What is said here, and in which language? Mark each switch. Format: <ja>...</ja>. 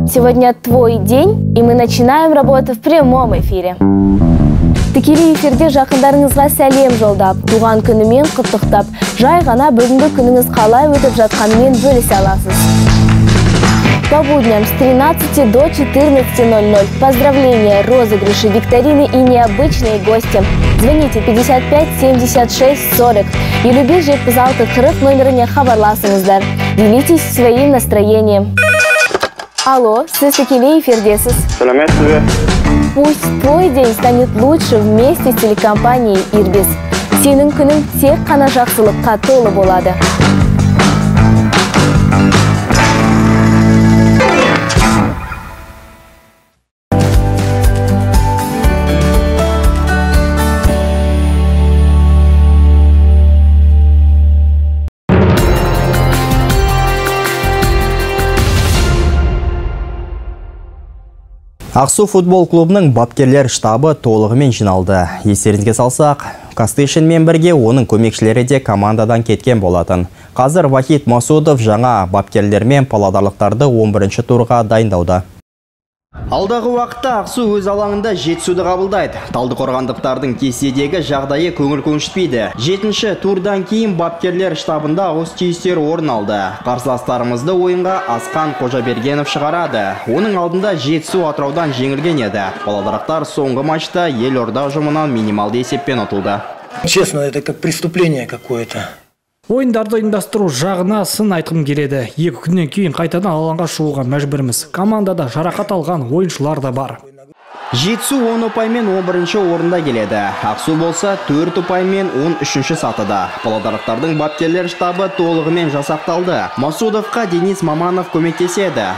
<ru>Сегодня твой день, и мы начинаем работу в прямом эфире.</ru> <kk>Тікелей эфирде жақындарыңызға сәлем жолдап, туған күнімен құттықтап, жай ғана бүгінгі күніңіз қалай өтіп жатқанымен бөлісе аласыз.</kk> <ru>По будням с 13 до 14.00. Поздравления, розыгрыши, викторины и необычные гости. Звоните 55 76 40. И любите</ru> <kk>жетпізалты 40 номеріне хабарласыңыздар.</kk> <ru>Делитесь своим настроением.</ru> <kk>Алло, сіз тікелей эфирдесіз. Сәлеметсіз бе?</kk> <ru>Пусть твой день станет лучше вместе с телекомпанией «Ирбис».</ru> <kk>Сенің күнің тек қана жақсылыққа толы болады. Ақсу футбол клубының бапкерлер штабы толығымен жиналды. Естеріңізге салсақ, Кастышинмен бірге оның көмекшілері де командадан кеткен болатын. Қазір Вахид Масудов жаңа бапкерлермен паладарлықтарды 11-ші турға дайындауда. Алдағы уақытта Ақсу өз алаңында жетсуды қабылдайды. Талдықорғандықтардың кеседегі жағдайы көңіл көншітпейді. 7-ші турдан кейін бапкерлер штабында ауыс түйістер орын алды. Қарсыластарымызды ойынға Асқан Қожабергенов шығарады. Оның алдында жетсу Атыраудан жеңілген еді. Паладарлықтар соңғы матчта Елорда ұжымынан минималды есеппен ұтылды.</kk> <ru>Честно, это как преступление какое-то.</ru> <kk>Ойындарды ұйымдастыру жағына сын айтқым келеді. Екі күннен кейін қайтадан алаңға шығуға мәжбірміз. Командада жарақат алған ойыншылар да бар. Жетсу 10 ұпаймен 11-ші орында келеді. Ақсу болса 4 ұпаймен 13-ші сатыда. Паладарлықтардың бапкерлер штабы толығымен жасақталды. Масудовқа Денис Маманов көмектеседі.</kk>